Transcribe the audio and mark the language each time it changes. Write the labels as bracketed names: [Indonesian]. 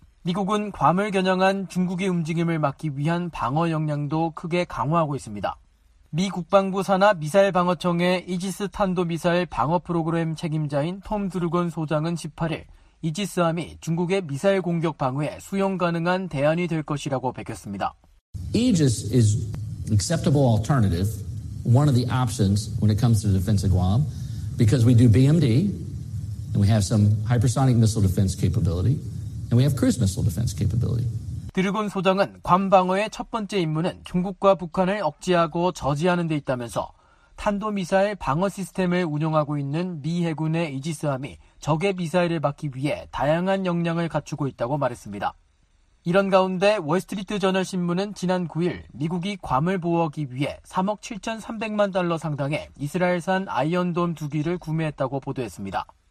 [Korean] 미국은 괌을 겨냥한 중국의 움직임을 막기 위한 방어 역량도 크게 강화하고 있습니다. 미 국방부 산하 미사일 방어청의 이지스 탄도미사일 방어 프로그램 책임자인 톰 드루건 소장은 18일 이지스함이 중국의 미사일 공격 방어에 수용 가능한 대안이 될 것이라고 밝혔습니다. [English] Aegis is acceptable alternative, one of the options when it comes to defense of Guam, because we do BMD and we have some hypersonic missile defense capability and we have cruise missile defense capability. [Korean] 드르곤 소장은 괌 방어의 첫 번째 임무는 중국과 북한을 억제하고 저지하는 데 있다면서 탄도미사일 방어 시스템을 운영하고 있는 미 해군의 이지스함이 적의 미사일을 막기 위해 다양한 역량을 갖추고 있다고 말했습니다. 이런 가운데 월스트리트저널신문은 지난 9일 미국이 괌을 보호하기 위해 3억 7,300만 달러 상당의 이스라엘산 아이언돔 2기를 구매했다고 보도했습니다.